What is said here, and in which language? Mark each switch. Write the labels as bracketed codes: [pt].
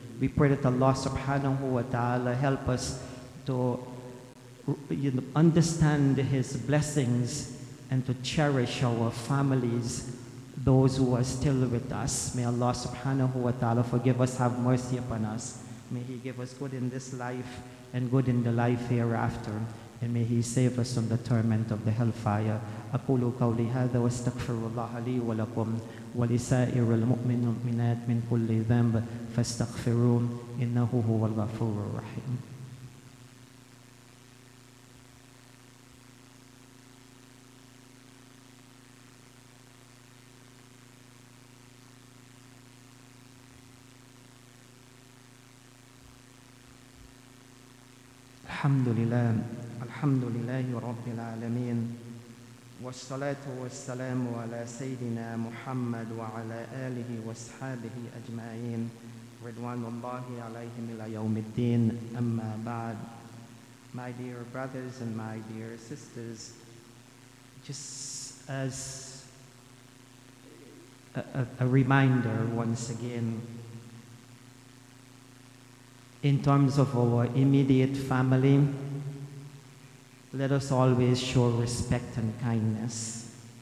[en] We pray that Allah subhanahu wa ta'ala help us to understand His blessings and to cherish our families, those who are still with us. May Allah subhanahu wa ta'ala forgive us, have mercy upon us. May He give us good in this life and good in the life hereafter. And may He save us from the torment of the hellfire. [ar] أقول قولي هذا واستغفر الله لي ولكم ولسائر المؤمنات من كل ذنب فاستغفروه إنه هو الغفور الرحيم. الحمد لله الحمد لله رب العالمين والصلاة والسلام على سيدنا محمد وعلى آله وصحبه أجمعين رضوان الله عليهم إلى يوم الدين أما بعد. [en] My dear brothers and my dear sisters, just as a reminder once again, in terms of our immediate family, let us always show respect and kindness.